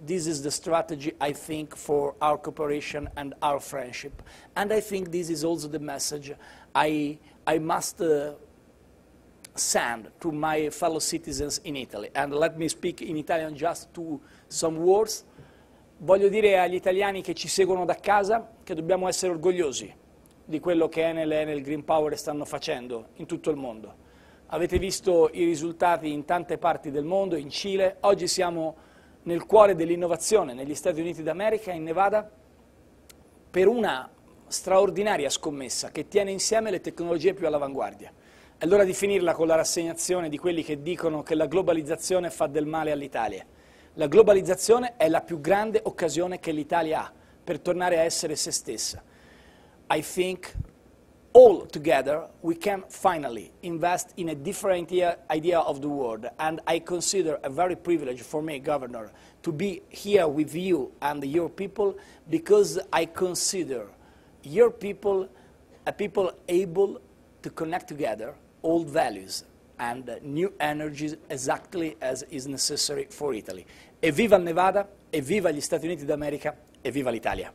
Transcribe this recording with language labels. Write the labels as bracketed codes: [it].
[en] This is the strategy, I think, for our cooperation and our friendship. And I think this is also the message I must send to my fellow citizens in Italy. And let me speak in Italian just to some words. [it] Voglio dire agli italiani che ci seguono da casa che dobbiamo essere orgogliosi di quello che Enel e Enel Green Power stanno facendo in tutto il mondo. Avete visto i risultati in tante parti del mondo, in Cile. Oggi siamo nel cuore dell'innovazione negli Stati Uniti d'America, in Nevada, per una straordinaria scommessa che tiene insieme le tecnologie più all'avanguardia. È l'ora di finirla con la rassegnazione di quelli che dicono che la globalizzazione fa del male all'Italia. La globalizzazione è la più grande occasione che l'Italia ha per tornare a essere se stessa. [en] I think all together we can finally invest in a different idea of the world, and I consider a very privilege for me, Governor, to be here with you and your people, because I consider your people a people able to connect together old values and new energies exactly as is necessary for Italy. [it] Evviva Nevada, evviva gli Stati Uniti d'America, evviva l'Italia.